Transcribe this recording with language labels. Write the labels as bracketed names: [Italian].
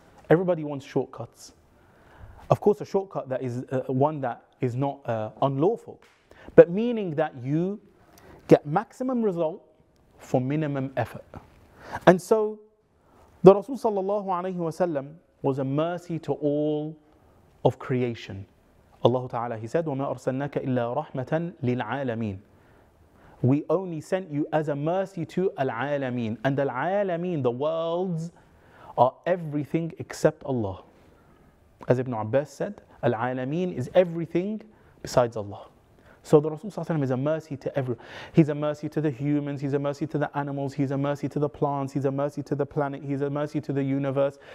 [English] Everybody wants shortcuts. Of course, a shortcut that is one that is not unlawful, but meaning that you get maximum result for minimum effort. And so, the Rasul sallallahu alayhi wa sallam was a mercy to all of creation. Allah ta'ala, he said, [Arabic] وَمَا أَرْسَلْنَاكَ إِلَّا رَحْمَةً لِلْعَالَمِينَ. [English] We only sent you as a mercy to al-alameen. And al-alameen, the worlds, are everything except Allah. As Ibn Abbas said, Al-Alameen is everything besides Allah. So the Rasul Sallallahu Alaihi Wasallam is a mercy to everyone. He's a mercy to the humans, he's a mercy to the animals, he's a mercy to the plants, he's a mercy to the planet, he's a mercy to the universe.